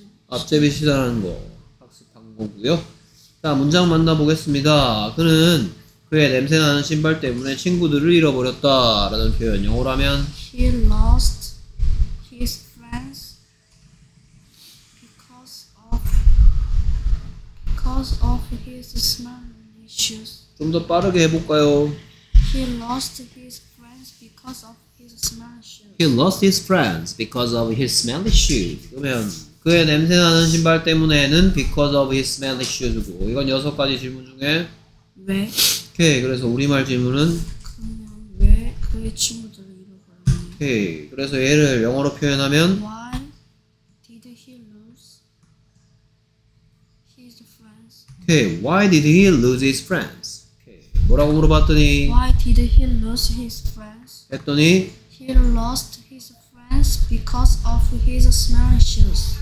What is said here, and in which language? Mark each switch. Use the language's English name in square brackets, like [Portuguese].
[Korean] 앞잡이시다라는 거 학습한 거고요. 자, 문장 만나보겠습니다. 그는 그의 냄새나는 신발 때문에 친구들을 잃어버렸다 라는 표현, 영어라면 [English] He lost his friends because of his smelly shoes. [Korean] 좀 더 빠르게 해볼까요? [English] He lost his friends because of his smelly shoes. He lost his friends because of his smelly shoes. [Korean] 그러면 그의 냄새 나는 신발 때문에는 [English] because of his smelly shoes [Korean] 고 이건 여섯 가지 질문 중에 왜? 오케이 그래서 우리말 질문은 그냥 왜 그의 친구들을 잃어버렸니? 오케이 그래서 얘를 영어로 표현하면 [English] Why did he lose his friends? 오케이 Why did he lose his friends? [Korean] 오케이 뭐라고 물어봤더니 [English] Why did he lose his friends? [Korean] 했더니 [English] He lost his friends because of his smelly shoes.